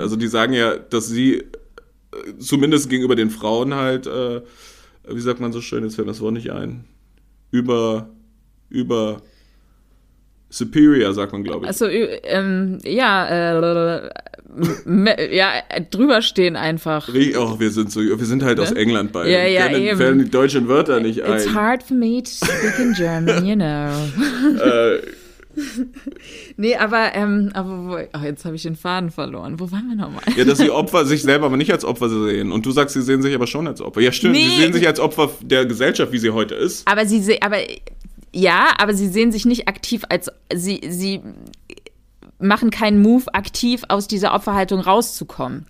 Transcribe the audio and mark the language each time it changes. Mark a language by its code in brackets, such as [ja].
[de] Also die sagen ja, dass sie zumindest gegenüber den Frauen halt, wie sagt man so schön, jetzt fällt mir das Wort nicht ein, über superior, sagt man, glaube ich. Also, ja, drüber stehen einfach. Wir sind halt, ne? Aus England beide. Ja, ja, fällen die deutschen Wörter nicht ein. [en] It's hard for me to speak in German, you know. [de] Nee, jetzt habe ich den Faden verloren. Wo waren wir nochmal? Ja, dass die Opfer sich selber aber nicht als Opfer sehen. Und du sagst, sie sehen sich aber schon als Opfer. Ja, stimmt, nee. Sie sehen sich als Opfer der Gesellschaft, wie sie heute ist. Aber sie sehen sich nicht aktiv als, sie machen keinen Move, aktiv aus dieser Opferhaltung rauszukommen.